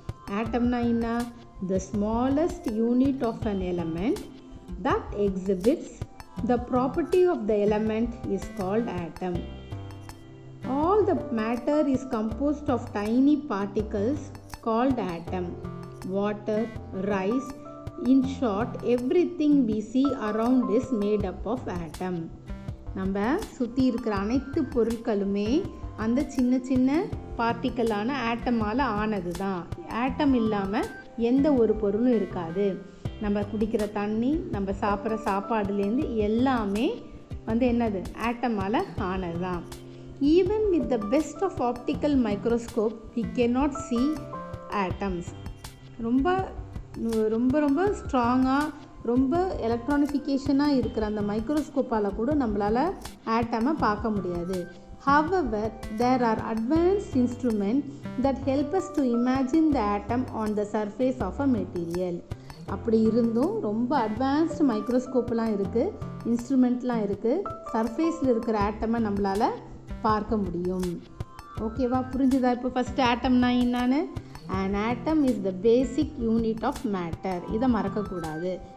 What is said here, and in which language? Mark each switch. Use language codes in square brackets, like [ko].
[ta] Atom na inna, [en] the smallest unit of an element that exhibits the property of the element is called atom. All the matter is composed of tiny particles called atom. Water, rice, in short, everything we see around is made up of atom. [ta] நம்ம சுற்றி இருக்கிற அனைத்து பொருட்களுமே அந்த சின்ன சின்ன பார்ட்டிக்கலான ஆட்டமால் ஆனது தான். ஆட்டம் இல்லாமல் எந்த ஒரு பொருளும் இருக்காது. நம்ம குடிக்கிற தண்ணி, நம்ம சாப்பிட்ற சாப்பாடுலேருந்து எல்லாமே வந்து என்னது, ஆட்டமால் ஆனது தான். [en] Even with the best of optical microscope we can not see atoms. [ta] ரொம்ப ரொம்ப ரொம்ப ஸ்ட்ராங்காக, ரொம்ப எலக்ட்ரானிஃபிகேஷனாக இருக்கிற அந்த மைக்ரோஸ்கோப்பால் கூட நம்மளால் ஆட்டமை பார்க்க முடியாது. [en] However, there are advanced instruments that help us to imagine the atom on the surface of a material. [ta] அப்படி இருந்தும் ரொம்ப அட்வான்ஸ்டு மைக்ரோஸ்கோப்லாம் இருக்குது, இன்ஸ்ட்ருமெண்ட்லாம் இருக்குது, சர்ஃபேஸில் இருக்கிற ஆட்டமை நம்மளால் பார்க்க முடியும். ஓகேவா, புரிஞ்சுதா? இப்போ ஃபஸ்ட்டு ஆட்டம்னா என்னான்னு, [en] an atom is the basic unit of matter. [ta] இதை மறக்கக்கூடாது.